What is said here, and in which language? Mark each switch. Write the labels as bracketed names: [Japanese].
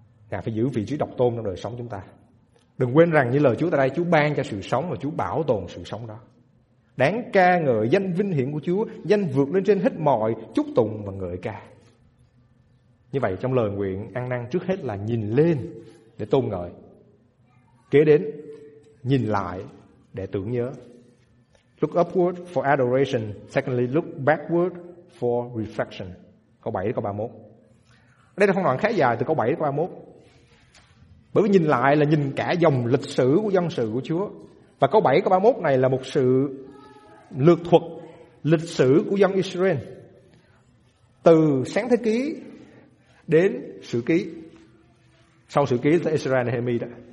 [Vietnamese] Ngài phải giữ vị trí độc tôn trong đời sống chúng ta. Đừng quên rằng như lời Chúa tại đây, Chúa ban cho sự sống và Chúa bảo tồn sự sống đó. Đáng ca ngợi danh vinh hiển của Chúa, danh vượt lên trên hết mọi chúc tụng và ngợi ca. Như vậy trong lời nguyện ăn năn trước hết là nhìn lên để tôn ngợi, kế đến nhìn lại để tưởng nhớ. [English] Look upward for adoration, secondly look backward for reflection. [Vietnamese] Câu 7 đến câu 31. Đây là phân đoạn khá dài từ câu 7 đến câu 31. Bởi vì nhìn lại là nhìn cả dòng lịch sử của dân sự của Chúa. Và câu 7 câu 31 này là một sự lược thuật lịch sử của dân Israel từ sáng thế ký đến sự ký, sau sự ký là Israel Nehemi đó.